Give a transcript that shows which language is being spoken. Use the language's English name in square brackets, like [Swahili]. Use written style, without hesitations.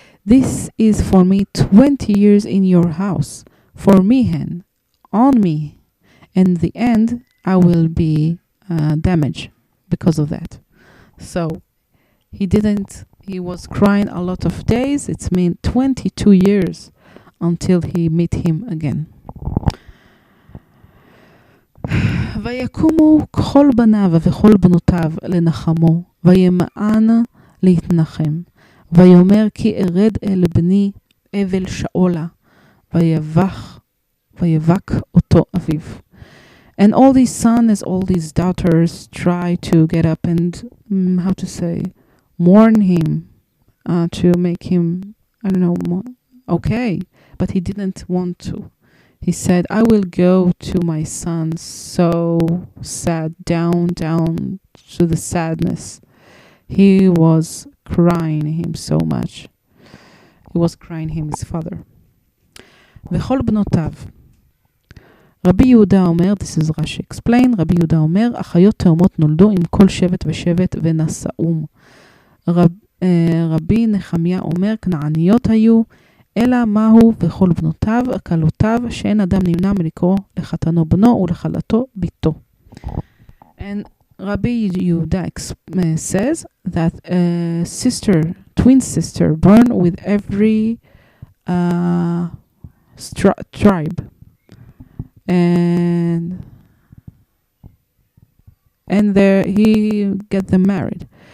[English] This is for me 20 years in your house, for me hen, on me. In the end, I will be damaged because of that. So he was crying a lot of days. It's mean 22 years until he meet him again. [Hebrew] ויקומו כל בניו וכל בנותיו לנחמו, וימען להתנחם, ויאמר כי ארד אל בני אבל שאולה, ויבק אותו אביו. [English] And all these sons, all these daughters try to get up and mourn him, to make him, I don't know, okay, but he didn't want to. He said, I will go to my son so sad, down to the sadness. He was crying him so much. He was crying him, his father. [Hebrew] וכל בנותיו. רבי יהודה אומר, [English] this is Rashi explain, [Hebrew] רבי יהודה אומר, אחיות תאומות נולדו עם כל שבט ושבט ונשאום. רבי נחמיה אומר, כנעניות היו, אלא מהו וכל בנותיו, קלותיו, שאין אדם נמנע מלקרוא לחתנו בנו ולחלתו ביתו. [English] And Rabbi Yehuda says that a sister, twin sister, born with every tribe. And there he get them married.